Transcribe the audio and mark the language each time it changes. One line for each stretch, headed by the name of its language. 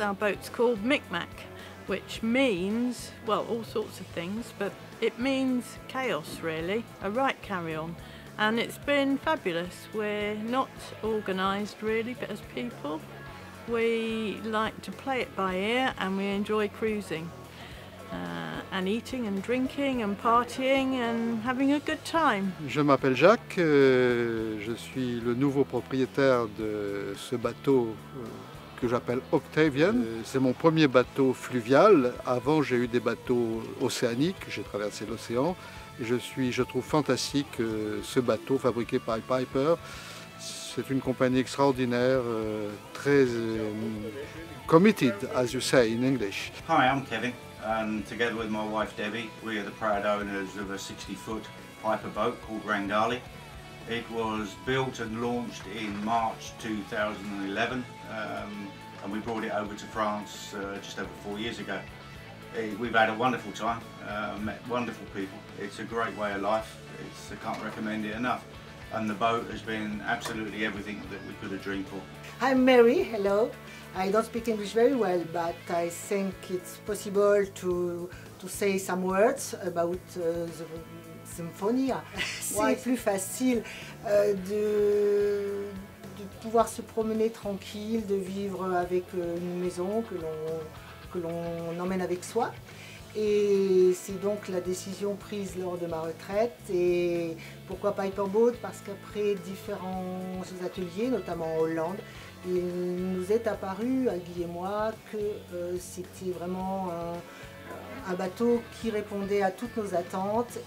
English: Our boat's called Micmac, which means, well, all sorts of things, but it means chaos, really, a right carry-on. And it's been fabulous. We're not organised, really, but as people, we like to play it by ear, and we enjoy cruising. And eating and drinking and partying and having a good time.
French: Je m'appelle Jacques, je suis le nouveau propriétaire de ce bateau que j'appelle Octavian. C'est mon premier bateau fluvial. Avant, j'ai eu des bateaux océaniques, j'ai traversé l'océan. Je trouve fantastique ce bateau fabriqué par Piper. C'est une compagnie extraordinaire, très
English: committed, as you say in English. Hi, I'm Kevin. And together with my wife Debbie, we are the proud owners of a 60-foot Piper boat called Rangali. It was built and launched in March 2011, and we brought it over to France just over 4 years ago. We've had a wonderful time, met wonderful people. It's a great way of life. I can't recommend it enough. And the boat has been absolutely everything that we could have dreamed for. I'm Mary, hello. I don't speak English very well, but I think it's possible to say some words about the symphony.
French: C'est plus facile de pouvoir se promener tranquille, de vivre avec une maison que l'on emmène avec soi. Et c'est donc la décision prise lors de ma retraite. Et pourquoi Piper Boat? Parce qu'après différents ateliers, notamment en Hollande, il nous est apparu, à Guy et moi, que c'était vraiment un bateau qui répondait à toutes nos attentes.